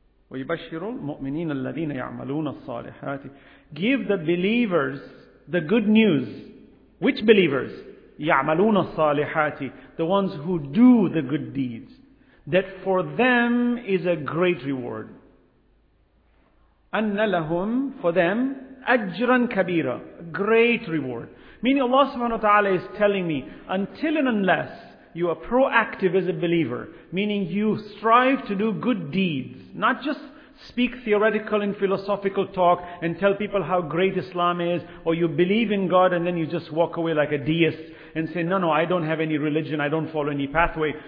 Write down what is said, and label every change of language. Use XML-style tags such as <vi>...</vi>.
<ar>وَيُبَشِّرُ الْمُؤْمِنِينَ الَّذِينَ يَعْمَلُونَ الصَّالِحَاتِ.</ar> <en>Give the believers the good news. Which believers?</en> <ar>يَعْمَلُونَ الصَّالِحَاتِ.</ar> <en>The ones who do the good deeds. That for them is a great reward.</en> <ar>أَنَّ لَهُمْ</ar> <en>for them</en> <ar>أَجْرًا كَبِيرًا.</ar> <en>A great reward. Meaning Allah subhanahu wa ta'ala is telling me, until and unless you are proactive as a believer, meaning you strive to do good deeds, not just speak theoretical and philosophical talk and tell people how great Islam is, or you believe in God and then you just walk away like a deist and say, no, I don't have any religion, I don't follow any pathway.</en>